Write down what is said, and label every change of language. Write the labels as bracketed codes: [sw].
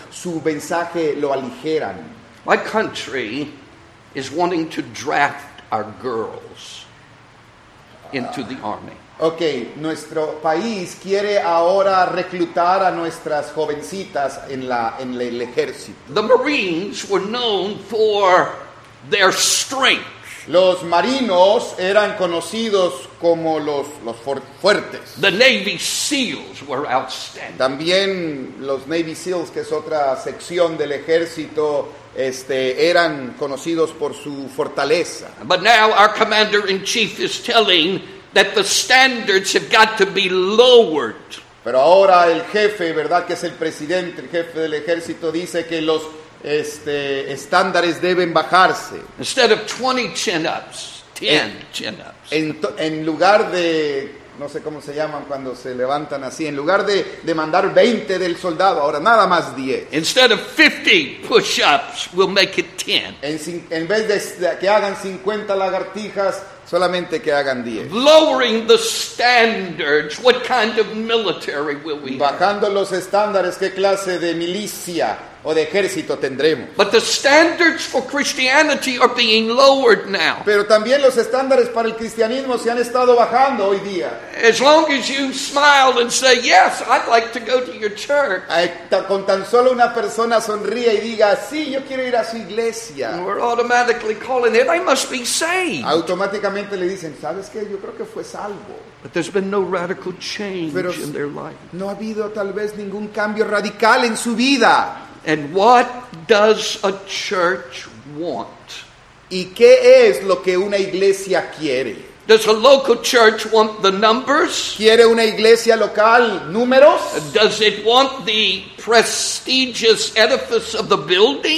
[es] Su mensaje lo aligeran. [en] My country is wanting to draft our girls into the army. [es] Okay, nuestro país quiere ahora reclutar a nuestras jovencitas en el ejército. [en] The Marines were known for their strength. [es] Los marinos eran conocidos como los fuertes. [en] The Navy SEALs were outstanding. [es] También los Navy SEALs, que es otra sección del ejército, eran conocidos por su fortaleza. [en] But now our commander in chief is telling that the standards have got to be lowered. [es] Pero ahora el jefe, ¿verdad?, que es el presidente, el jefe del ejército, dice que los estándares deben bajarse. [en] Instead of 20 chin-ups, 10 chin-ups. [es] En lugar de, no sé cómo se llaman cuando se levantan así, en lugar de mandar 20 del soldado, ahora nada más 10. [en] Instead of 50 push-ups, we'll make it 10. [es] En vez de que hagan 50 lagartijas, solamente que hagan 10. [en] Lowering the standards, what kind of military will we [es] bajando [en] have? [es] Los estándares, ¿qué clase de milicia o de ejército tendremos? [en] But the standards for Christianity are being lowered now. [es] Pero también los estándares para el cristianismo se han estado bajando hoy día. [en] As long as you smile and say, yes, I'd like to go to your church. [es] Con tan solo una persona sonría y diga, sí, yo quiero ir a su iglesia. [en] And we're automatically calling it, I must be saved. [es] Automáticamente le dicen, ¿sabes qué? Yo creo que fue salvo. [en] But there's been no radical change in their life. [es] No ha habido tal vez ningún cambio radical en su vida. [en] And what does a church want? [es] ¿Y qué es lo que una iglesia quiere? [en] Does a local church want the numbers? [es] ¿Quiere una iglesia local números? [en] Does it want the prestigious edifice of the building?